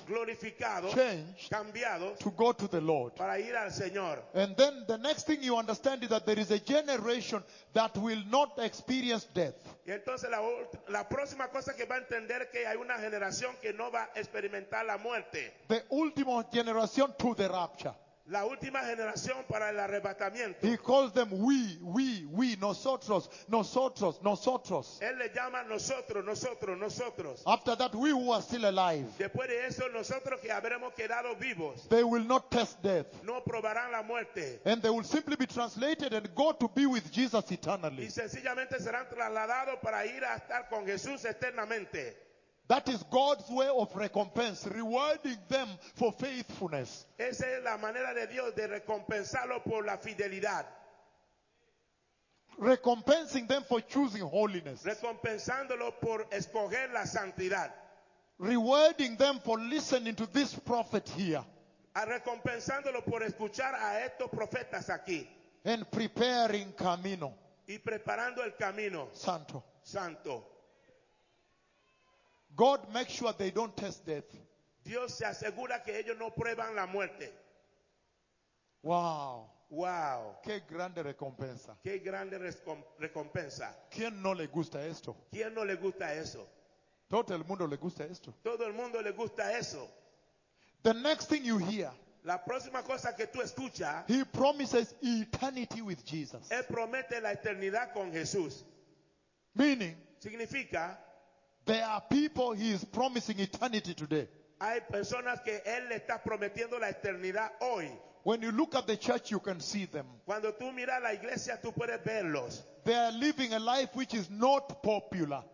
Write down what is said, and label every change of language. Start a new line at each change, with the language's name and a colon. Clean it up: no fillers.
Spanish: Glorificados.
English: Changed.
Spanish: Cambiados.
English: To go to the Lord.
Spanish: Para ir al Señor.
English: And then the next thing you understand is that there is a generation that will not experience death.
Spanish: Y entonces la próxima cosa que va a entender que hay una generación que no va a experimentar la muerte.
English: The ultimate generation to the rapture.
Spanish: la última generación para el arrebatamiento.
English: He calls them we, nosotros.
Spanish: Él le llama nosotros.
English: After that, we who are still alive.
Spanish: Después de eso, nosotros que habremos quedado vivos.
English: They will not test death.
Spanish: No probarán la muerte.
English: And they will simply be translated and go to be with Jesus eternally.
Spanish: Y sencillamente serán trasladados para ir a estar con Jesús eternamente.
English: That is God's way of recompense, rewarding them for faithfulness.
Spanish: Esa es la manera de Dios de recompensarlo por la fidelidad.
English: Recompensing them for choosing holiness.
Spanish: Recompensándolo por escoger la santidad.
English: Rewarding them for listening to this prophet here.
Spanish: A recompensándolo por escuchar a estos profetas aquí.
English: And preparing camino.
Spanish: Y preparando el camino. Santo. Santo.
English: God makes sure they don't test death.
Spanish: Dios se asegura que ellos no prueban la muerte. Wow. Wow. Qué grande recompensa. Qué grande recompensa. ¿Quién no le gusta esto? ¿Quién no le gusta eso? Todo el mundo le gusta esto. Todo el mundo le gusta eso.
English: The next thing you hear.
Spanish: La próxima cosa que tú escuchas.
English: He promises eternity with Jesus.
Spanish: Él promete la eternidad con Jesús.
English: Meaning.
Spanish: Significa.
English: There are people he is promising eternity today.
Spanish: Hay personas que él le está prometiendo la eternidad hoy.
English: When you look at the church, you can see them.
Spanish: Cuando tú miras la iglesia, tú puedes verlos.
English: They are living a life which is not popular.